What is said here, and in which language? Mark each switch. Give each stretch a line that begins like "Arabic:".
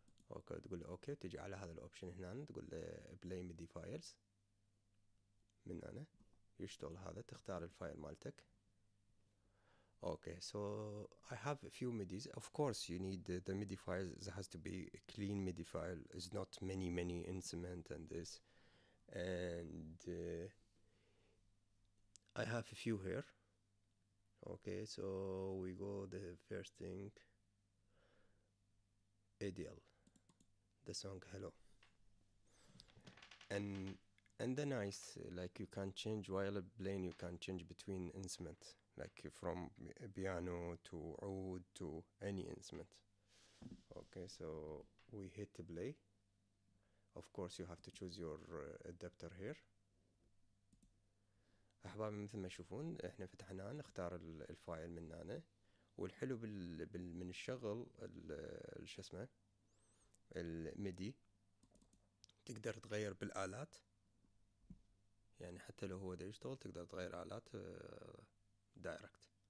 Arabic: اوكي, تقول اوكي, تجي على هذا الاوبشن هنا تقول بلاي MIDI فايلز, من هنا يشتغل هذا, تختار الفايل مالتك.
English: Okay, so I have a few MIDIs. Of course you need the MIDI files, it has to be a clean MIDI file, it's not many instruments and this, and I have a few here. Okay, so we go the first thing, Adele, the song Hello, and the nice, like you can change while playing, you can change between instruments, like from piano to oud to any instrument. Okay, so we hit play. Of course you have to choose your adapter here.
Arabic: احبابي مثل ما تشوفون احنا فتحنا نختار الفايل من هنا, والحلو من الشغل شو اسمه الميدي, تقدر تغير بالالات, يعني حتى لو هو ديجيتال تقدر تغير الالات دايركت.